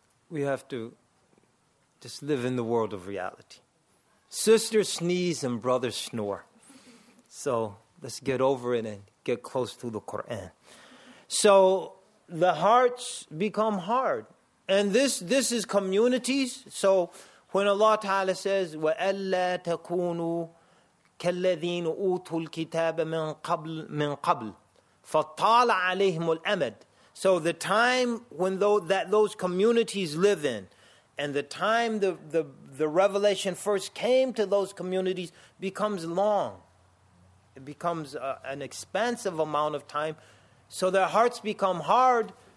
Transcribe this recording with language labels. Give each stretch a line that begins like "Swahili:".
English: we have to just live in the world of reality. Sisters sneeze and brothers snore. So let's get over it and get close to the Quran. So the hearts become hard. And this is communities.
Arabic: So when Allah Ta'ala says, وَأَلَّا تَكُونُوا كَالَّذِينُ أُوتُوا الْكِتَابَ مِنْ قَبْلِ فَطَالَ عَلَيْهِمُ الْأَمَدِ.
English: So the time when those communities live in, and the time the revelation first came to those communities becomes long. It becomes an expansive amount of time. So their hearts become hard.